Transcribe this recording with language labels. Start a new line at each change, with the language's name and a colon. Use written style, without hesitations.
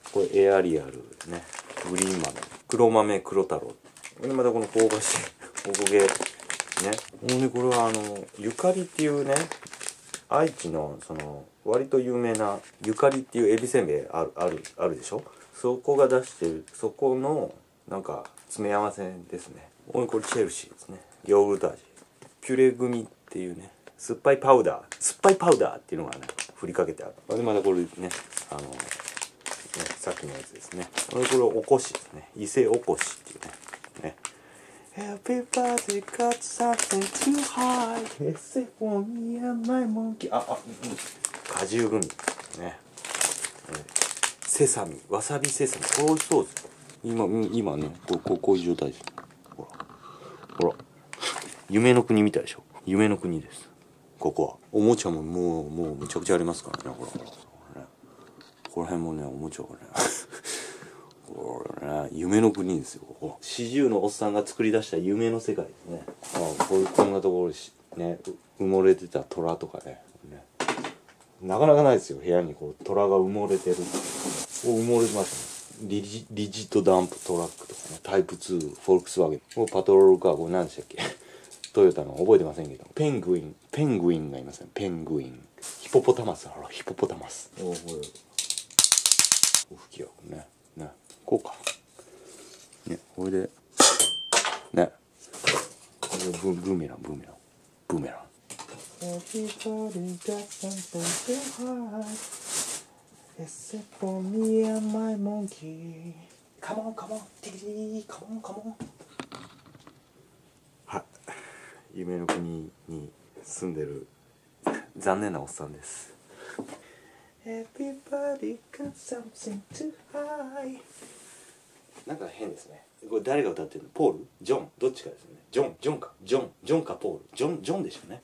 Japanese: これエアリアルね、グリーン豆、黒豆黒太郎で、またこの香ばしおこげね、もうね、これはあの、ゆかりっていうね、愛知のその割と有名なゆかりっていうエビせんべいあるでしょ。そこが出してる、そこのなんか詰め合わせですね。おい、これチェルシーですね。ヨーグルト味、ピュレグミっていうね、酸っぱいパウダー、酸っぱいパウダーっていうのがね、ふりかけてある。で、またこれね、あのね、さっきのやつですね。おい、これおこしですね、伊勢おこしっていうね。
English: Everybody got something to hide except for me and my monkey。
Japanese: あ、あ、うん、果汁グミ、ね、セサミ、わさびセサミ、これ美味しそうですよ。今ね、こういう状態です。ほら、ほら、夢の国みたいでしょ。夢の国です、ここは。おもちゃももう、もうむちゃくちゃありますからね、ほら、ね、ここら辺もね、おもちゃがね、これね、夢の国ですよ、ここ。四十のおっさんが作り出した夢の世界ですね。あ、こういう、こんなところにね、埋もれてた虎とかね。なかなかないですよ、部屋にこう、虎が埋もれてる。こう埋もれてましたね。リジットダンプトラックとかね、タイプ2、フォルクスワーゲン。これパトロールカー、これ何でしたっけ、トヨタの、覚えてませんけど。ペングインがいますね、ペングイン。ヒポポタマス、ほら、ヒポポタマス。おー、これ。お、吹き矢、ね。ね、こうか。ね、これで。ね。ブーメラン、ブーメラン。ブーメラン。
English: Everybody got something to hide except for me and my monkey. Come on, come on, diggity, come on, come on.
Japanese: は、夢の国に住んでる残念なおっさんです。
English: Everybody got something to hide。
Japanese: なんか変ですね。これ誰が歌ってるの？ポール？ジョン？どっちかですよね。ジョンか。ジョンかポール。ジョンでしょうね。